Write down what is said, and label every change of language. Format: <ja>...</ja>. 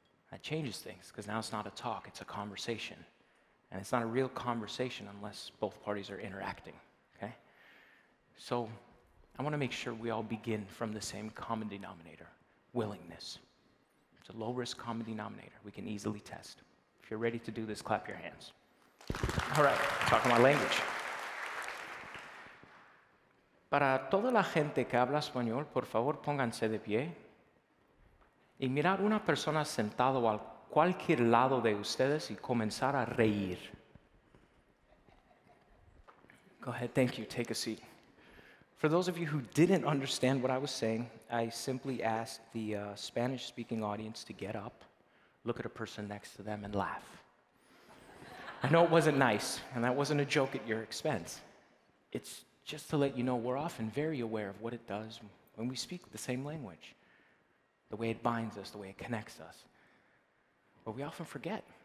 <en>That changes things, because now it's not a talk, it's a conversation. And it's not a real conversation unless both parties are interacting, okay? So I want to make sure we all begin from the same common denominator, willingness. It's a low-risk common denominator we can easily test. If you're ready to do this, clap your hands. All right, talking my language.</en> <es>Para toda la gente que habla español, por favor, pónganse de pie. Y mirar una persona sentado al cualquier lado de ustedes y comenzar a reír.</es> <en>Go ahead, thank you, take a seat. For those of you who didn't understand what I was saying, I simply asked the Spanish-speaking audience to get up, look at a person next to them, and laugh. I know it wasn't nice, and that wasn't a joke at your expense. It's just to let you know we're often very aware of what it does when we speak the same language, the way it binds us, the way it connects us. But we often forget.</en>